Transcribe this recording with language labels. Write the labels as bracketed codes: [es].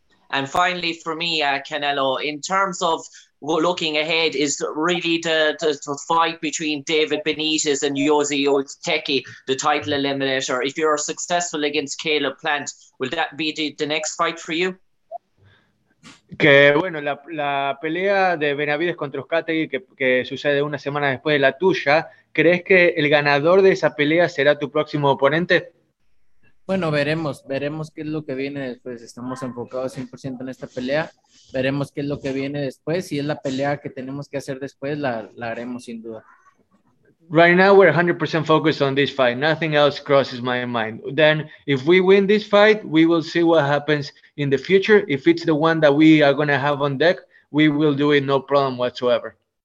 [en] And finally, for me, Canelo, in terms of looking ahead is really the fight between David Benitez and Jozy Ostecki, the title eliminator. If you're successful against Caleb Plant, will that be the next fight for you? [es] Que bueno, la pelea de Benavides contra Ostecki que sucede una semana después de la tuya, ¿crees que el ganador de esa pelea será tu próximo oponente? Bueno, veremos qué es lo que viene después. Estamos enfocados 100% en esta pelea. Veremos qué es lo que viene después. Si es la pelea que tenemos que hacer después, la haremos sin duda. [en] Right now, we're 100% focused on this fight. Nothing else crosses my mind. Then, if we win this fight, we will see what happens in the future. If it's the one that we are going to have on deck, we will do it no problem whatsoever.